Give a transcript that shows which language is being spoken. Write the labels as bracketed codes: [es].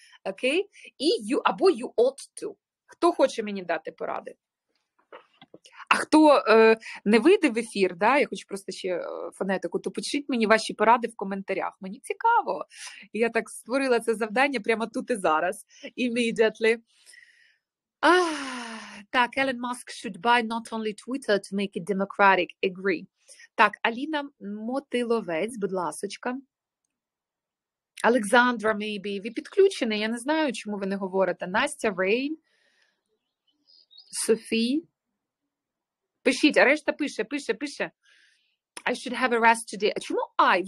[en] Окей? [uk] І [en] you, [uk] або [en] you ought to. [uk] Хто хоче мені дати поради? А хто не вийде в ефір, да, я хочу просто ще фонетику, то пишіть мені ваші поради в коментарях. Мені цікаво. Я так створила це завдання прямо тут і зараз. [en] Immediately. Ah, [uk] так, [en] Elon Musk should buy not only Twitter to make it democratic. Agree. [uk] Так, Аліна Мотиловець, будь ласочка. Олександра, [en] maybe. [uk] Ви підключені? Я не знаю, чому ви не говорите. Настя, Рейн, Софія. Пишіть, а решта пише, пише, пише. [en] I should have a rest today. [uk] А чому [en] I?